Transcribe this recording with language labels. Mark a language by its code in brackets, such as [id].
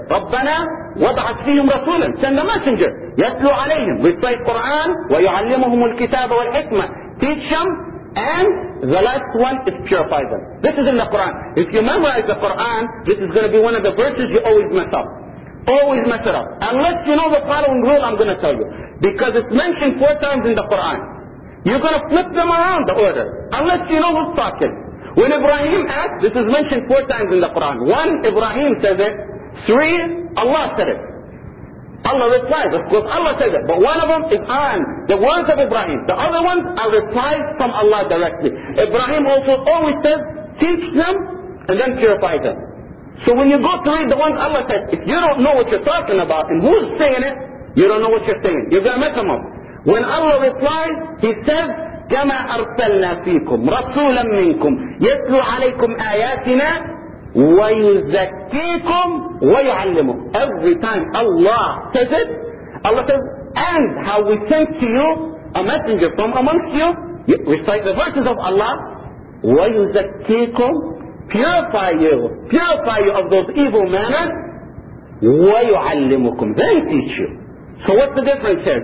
[ar] رَبَّنَا وَبْعَثْ فِيهِمْ رَسُولًا, [en] send a messenger, [ar] يَتْلُ عَلَيْهِمْ, [en] recite Qur'an, [ar] وَيُعَلِّمُهُمُ الْكِتَابَ وَالْحِكْمَةِ, [en] teach them. And the last one is purify them. This is in the Quran. If you memorize the Quran, this is going to be one of the verses you always mess up. Always mess it up. Unless you know the following rule I'm going to tell you. Because it's mentioned 4 times in the Quran. You're going to flip them around, the order. Unless you know who's talking. When Ibrahim asked, this is mentioned 4 times in the Quran. 1, Ibrahim says it. 3, Allah said it. Allah replies, of course Allah says it, but one of them is on the words of Ibrahim. The other ones are replies from Allah directly. Ibrahim also always says, teach them and then purify them. So when you go to read the ones Allah says, if you don't know what you're talking about and who's saying it, you don't know what you're saying. You're going to mess them up. When Allah replies, He says, [ar] كَمَا أَرْسَلْنَا فِيكُمْ رَسُولًا مِّنْكُمْ يَتْلُ عَلَيْكُمْ آيَاتِنَا وَيُزَكِّيكُمْ وَيُعَلِّمُكُمْ. [en] Every time Allah says it, Allah says, and how we sent to you a messenger from amongst you, you recite the verses of Allah, [ar] وَيُزَكِّيكُمْ, [en] purify you of those evil manners, [ar] وَيُعَلِّمُكُمْ, [en] then teach you. So what's the difference here?